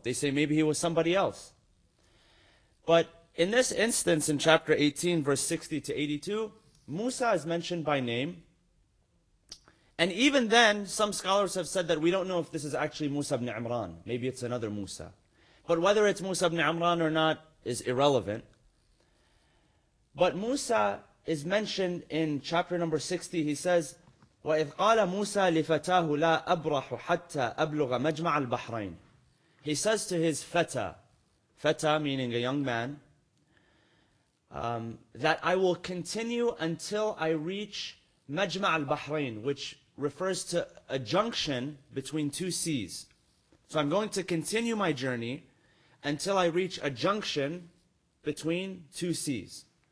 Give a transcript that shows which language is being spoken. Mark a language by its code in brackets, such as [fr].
[en] They say maybe he was somebody else. But in this instance, in chapter 18, verse 60 to 82, Musa is mentioned by name. And even then, some scholars have said that we don't know if this is actually Musa ibn Imran. Maybe it's another Musa. But whether it's Musa ibn Imran or not is irrelevant. But Musa is mentioned in chapter number 60. He says, [ar] وَإِذْ قَالَ مُوسَى لِفَتَاهُ لَا أَبْرَحُ حَتَّى أَبْلُغَ مَجْمَعَ الْبَحْرَيْنِ. [en] He says to his fata meaning a young man, that I will continue until I reach Majma' al-Bahrain, which refers to a junction between two seas. So I'm going to continue my journey until I reach a junction between two seas.